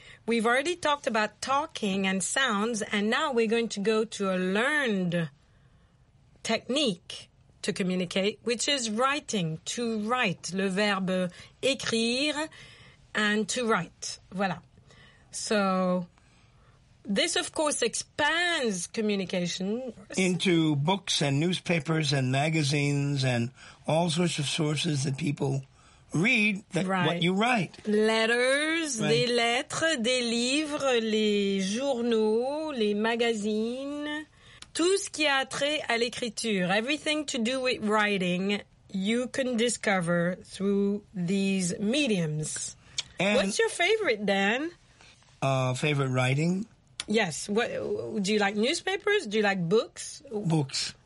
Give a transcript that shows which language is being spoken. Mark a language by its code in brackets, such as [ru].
[en] We've already talked about talking and sounds, and now we're going to go to a learned technique to communicate, which is writing, to write, [fr] le verbe écrire, [en] and to write. Voilà. So this, of course, expands communication into books and newspapers and magazines and all sorts of sources that people read that what you write. Letters, right. [fr] Des lettres, des livres, les journaux, les magazines. Tout ce qui a trait à l'écriture. [en] Everything to do with writing, you can discover through these mediums. And what's your favorite, Dan? Favorite writing? Yes. What, do you like newspapers? Do you like books? Books.